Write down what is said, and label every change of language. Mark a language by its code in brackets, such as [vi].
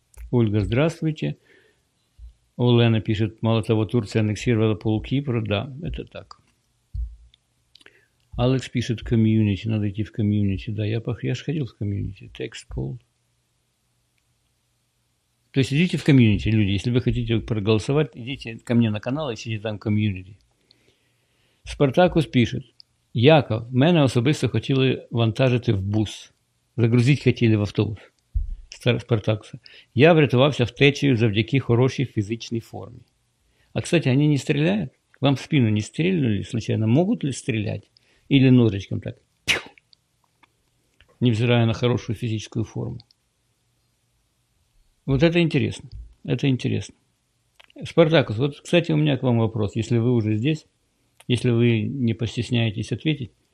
[ru] Ольга, здравствуйте. Олена пишет, мало того, Турция аннексировала пол Кипра. Да, это так. Алекс пишет, комьюнити, надо идти в комьюнити. Да, я же ходил в комьюнити. Текст пол. То есть идите в комьюнити, люди. Если вы хотите проголосовать, идите ко мне на канал и сидите там в комьюнити. [uk] Спартакус пишет, Яков, мене особисто хотіли вантажити в бус. Загрузить хотіли в автобус. Спартакса. Я врятувався втечею завдяки [ru] хорошей физической форме. А, кстати, они не стреляют? Вам в спину не стрельнули случайно? Могут ли стрелять? Или ножичком так? Тих! Невзирая на хорошую физическую форму. Вот это интересно. Это интересно. Спартакус, вот, кстати, у меня к вам вопрос. Если вы уже здесь, если вы не постесняетесь ответить,